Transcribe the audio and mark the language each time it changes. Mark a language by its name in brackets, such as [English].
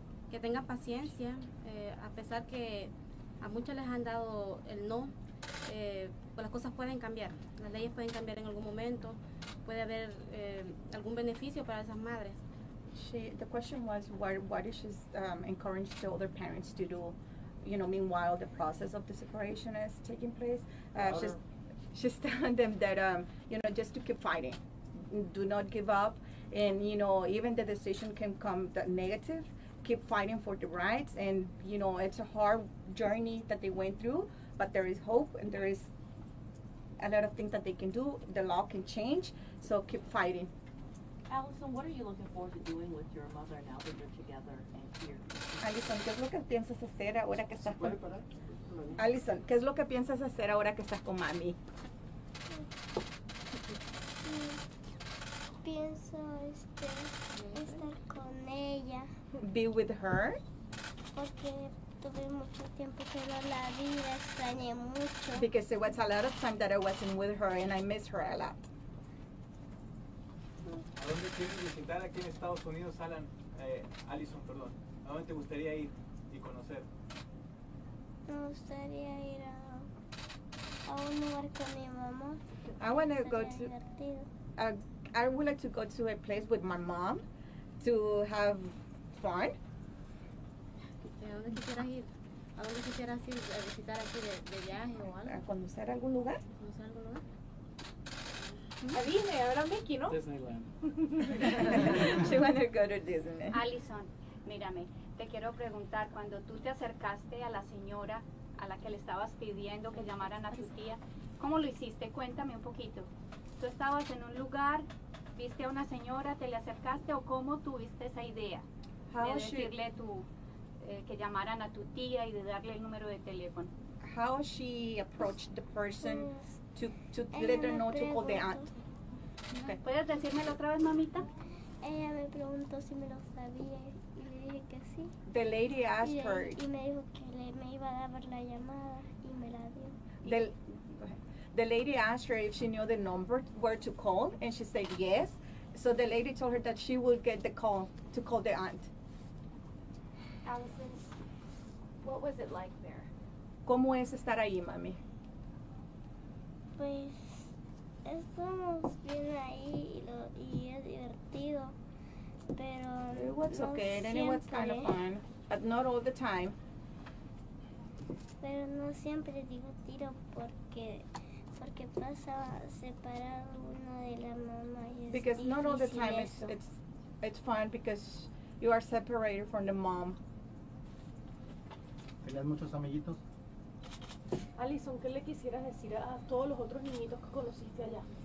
[Spanish] Que tengan paciencia, a pesar que a muchos les han dado el no, pues las cosas pueden cambiar, las leyes pueden cambiar en algún momento, puede haber algún beneficio para esas madres. [English] The question was, what does she encourage the other parents to do? You know, meanwhile, the process of the separation is taking place. She's telling them that, you know, just to keep fighting. Do not give up. And, you know, even the decision can come that negative, keep fighting for the rights. And, you know, it's a hard journey that they went through, but there is hope and there is a lot of things that they can do. The law can change, so keep fighting. Allison, what are you looking forward to doing with your mother now that you're together and here? [Spanish] Allison, ¿qué es lo que piensas hacer ahora que estás con... Allison, ¿qué es lo que piensas hacer ahora que estás con mami? Pienso estar con ella. [English] Be with her. [Spanish] Porque tuve mucho tiempo que no la vi, la extrañé mucho. [English] Because it was a lot of time that I wasn't with her and I miss her a lot. [Spanish] ¿A dónde quieres visitar aquí en Estados Unidos, Alan? Allison, perdón. ¿A dónde te gustaría ir y conocer? Me gustaría ir a un lugar con mi mamá. [English] I want to go to. I would like to go to a place with my mom to have fun. [Spanish] ¿A dónde quisieras ir? ¿A dónde quisieras ir a visitar aquí de viaje o algo? ¿A conocer algún lugar? ¿Conocer algún lugar? A Disney, ahora Mickey, ¿no? [English] Disneyland. She wanted to go to Disney. [Spanish] Allison, mírame, te quiero preguntar, cuando tú te acercaste a la señora a la que le estabas pidiendo que llamaran a tu tía, ¿cómo lo hiciste? Cuéntame un poquito. ¿Tú estabas en un lugar, viste a una señora, te le acercaste o cómo tuviste esa idea? [English] How [Spanish] de decirle tu, que llamaran a tu tía y de darle el número de teléfono. [English] How she approached the person to let her know to call the aunt. [Spanish] Okay. ¿Puedes decírmelo otra vez, mamita? Ella me preguntó si me lo sabía y le dije que sí. [English] The lady asked her. [Spanish] Y me dijo que me iba a dar la llamada y me la dio. [English] The lady asked her if she knew the number where to call and she said yes. So the lady told her that she would get the call to call the aunt. Allison, what was it like there? [Spanish] ¿Cómo es estar ahí, mami? Pues estamos bien ahí y es divertido, pero [English] it was [Spanish] no [English] okay, [Spanish] siempre. [English] And it was kind of fun, but not all the time. [Spanish] Pero no siempre es divertido porque pasa separado uno de la mamá y es [English] because [Spanish] difícil [English] not all the time [Spanish] eso. [English] It's fun because you are separated from the mom. [Spanish] ¿Tenías muchos amiguitos? Allison, ¿qué le quisieras decir a todos los otros niñitos que conociste allá?